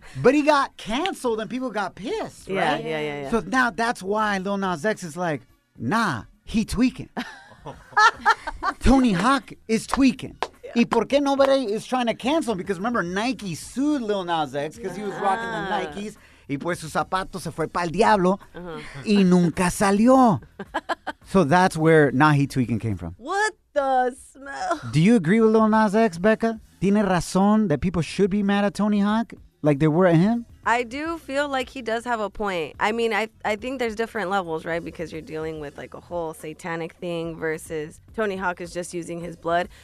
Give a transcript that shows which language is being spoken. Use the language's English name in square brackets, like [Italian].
[English] But he got canceled and people got pissed, right? Yeah, yeah, yeah, yeah. So now that's why Lil Nas X is like, nah, he tweaking. Tony Hawk is tweaking. Yeah. [Spanish] Y por qué [English] nobody is trying to cancel him? Because remember, Nike sued Lil Nas X because he was rocking the Nikes. [Spanish] Y pues su zapato se fue pa'l diablo. Uh-huh. Y nunca salió. [English] So that's where nah, he tweaking came from. What the smell? Do you agree with Lil Nas X, Becca? [Spanish] Tiene razón [English] that people should be mad at Tony Hawk? Like they were at him? I do feel like he does have a point. I mean, I think there's different levels, right? Because you're dealing with like a whole satanic thing versus Tony Hawk is just using his blood.